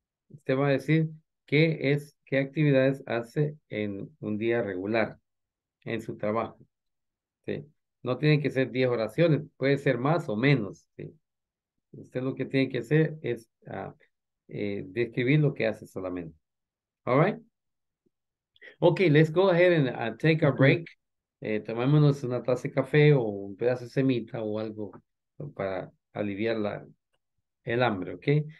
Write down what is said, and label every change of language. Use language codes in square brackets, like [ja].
[es] Usted va a decir qué actividades hace en un día regular en su trabajo. ¿Sí? No tienen que ser 10 oraciones. Puede ser más o menos. ¿Sí? Usted lo que tiene que hacer es describir lo que hace solamente. [en] All right? Okay, let's go ahead and take a break. [es] Tomémonos una taza de café o un pedazo de semita o algo para aliviar el hambre, ¿ok?